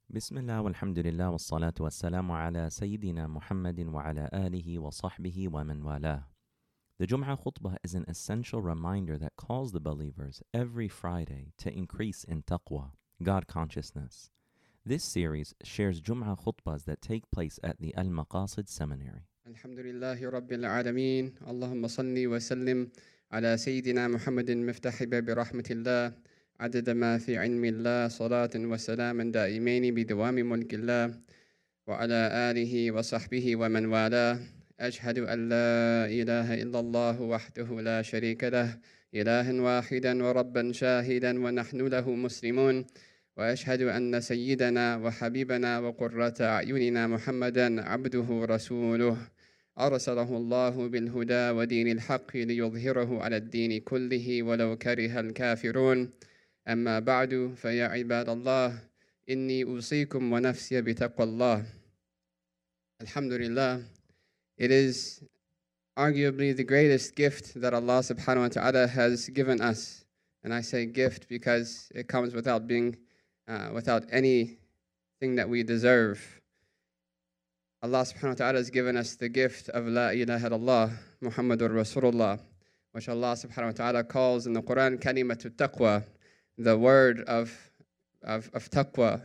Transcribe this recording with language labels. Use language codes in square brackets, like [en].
[ar] بسم الله والحمد لله والصلاة والسلام على سيدنا محمد وعلى آله وصحبه ومن والاه. [en] The Jum'ah khutbah is an essential reminder that calls the believers every Friday to increase in taqwa, God consciousness. This series shares Jum'ah khutbahs that take place at the Al-Maqasid Seminary. [ar] الحمد لله رب العالمين اللهم صلِّ وسلم على سيدنا محمد مفتاح باب رحمة الله عدد ما في علم الله صلاة وسلام دائمين بدوام ملك الله وعلى آله وصحبه ومن والاه أشهد أن لا إله إلا الله وحده لا شريك له إله واحدا وربا شاهدا ونحن له مسلمون وأشهد أن سيدنا وحبيبنا وقرة أعيننا محمدا عبده رسوله أرسله الله بالهدى ودين الحق ليظهره على الدين كله ولو كره الكافرون أما بعد فيا عباد الله إني أوصيكم ونفسي بتقوى الله الحمد لله. [en] It is arguably the greatest gift that Allah subhanahu wa ta'ala has given us. And I say gift because it comes without being, without anything that we deserve. Allah subhanahu wa ta'ala has given us the gift of [ar] La ilaha illallah, Muhammadur Rasulullah, [en] which Allah subhanahu wa ta'ala calls in the Quran, kalimatu taqwa, the word of taqwa.